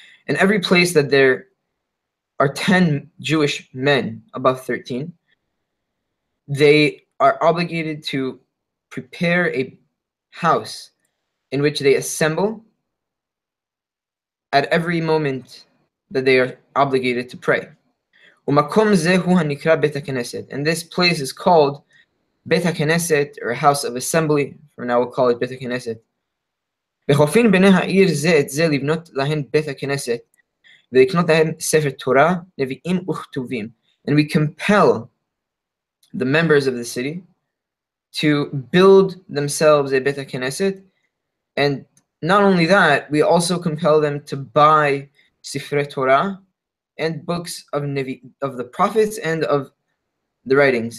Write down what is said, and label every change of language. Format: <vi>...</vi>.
<en>In every place that there are 10 Jewish men above 13, they are obligated to prepare a house in which they assemble at every moment that they are obligated to pray. And this place is called Beit HaKnesset, or House of Assembly. For now, we'll call it Beit HaKnesset.</en> <he>וחופין בני העיר זה את זה לבנות להן בית הכנסת ולקנות להן ספר תורה, נביאים וכתובים.</he> <en>And we compel the members of the city to build themselves a bit of Knesset. And not only that, we also compel them to buy Sifre Torah and books of the prophets and of the writings.</en>